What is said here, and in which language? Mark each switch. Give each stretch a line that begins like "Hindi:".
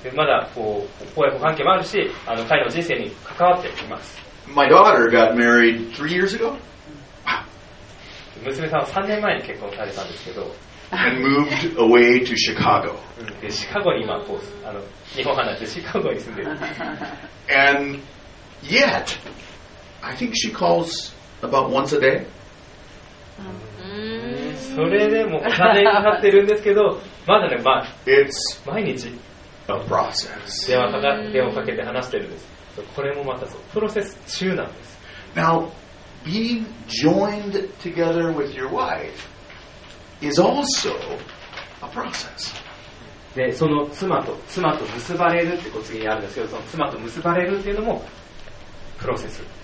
Japanese: まだこう親子関係もあるし、あの彼の人生に関わっています。
English: My daughter got married 3 years ago.
Japanese: 娘さんは3年前に結婚されたんですけど。
English: And moved away to Chicago.
Japanese: でシカゴに今こうあの日本離れてシカゴに住んでいる。
English: And yet, I think she calls about once a day.
Japanese: それでも3年かかってるんですけど、まだね、毎日電話かけて話してるんです。これもまたそう、プロセス中なんです。
English: Now, being joined together with your wife is also a process.
Japanese: で、その妻と結ばれるってこう次にあるんですけど、その妻と結ばれるっていうのもプロセス。